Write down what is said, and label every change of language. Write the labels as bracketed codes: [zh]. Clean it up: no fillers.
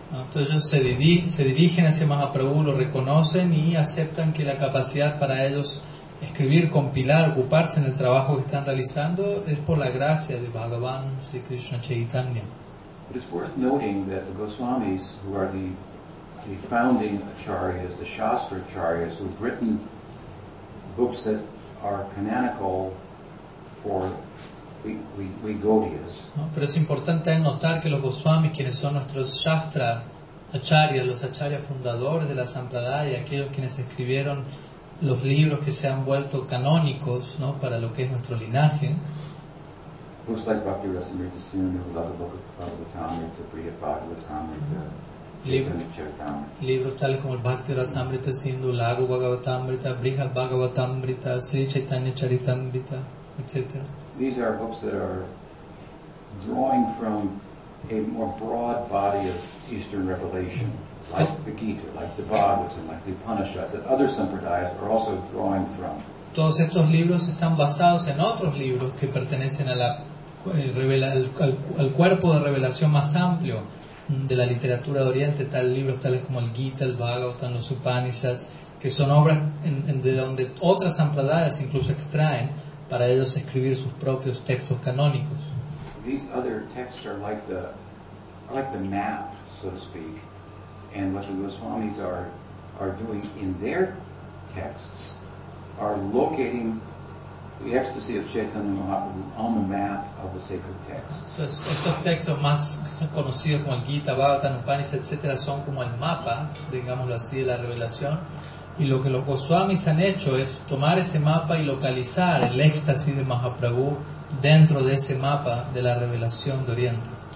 [es] Entonces ellos se dirigen hacia Mahaprabhu, lo reconocen y aceptan que la capacidad para ellos escribir, compilar, ocuparse en el trabajo que están realizando es por la gracia de Bhagavan Sri Krishna Chaitanya. [en] But it's worth noting that the Goswamis, who are the founding acharyas, the Shastra acharyas, who've written books that are canonical for we Gaudiyas. [es] No, pero es importante notar que los Goswamis, quienes son nuestros Shastra acharyas, los acharyas fundadores de la Sampradaya, aquellos quienes escribieron los libros que se han vuelto canónicos, ¿no?, para lo que es nuestro linaje. [en] Books like Bhakti-rasamrita-sindhu, the book of Bhagavatamrita, Priya Bhagavatamrita, [es] libros tales como el Bhakti-rasamrita-sindhu, Lago Bhagavatamrita, Brihat Bhagavatamrita, Sri Chaitanya Charitamrita, etc. [en] These are books that are drawing from a more broad body of Eastern revelation, like the Gita, like the Bhagavatam, like the Upanishads, that other sampradayas are also drawing from. [es] Todos estos libros están basados en otros libros que pertenecen a la al cuerpo de revelación más amplio de la literatura de Oriente, tales como el Gita, el Bhagavatam, los Upanishads, que son obras de donde otras sampradayas incluso extraen para ellos escribir sus propios textos canónicos. [en] These other texts are like the map, so to speak, and what the Goswamis are doing in their texts are locating the ecstasy of Chaitanya Mahaprabhu on the map of the sacred texts. [es] Estos textos más conocidos como el Gita, Bhagavatam, Upanishad, etc., son como el mapa, digámoslo así, de la revelación. Y lo que los Goswamis han hecho es tomar ese mapa y localizar el éxtasis de Mahaprabhu dentro de ese mapa de la revelación de Oriente.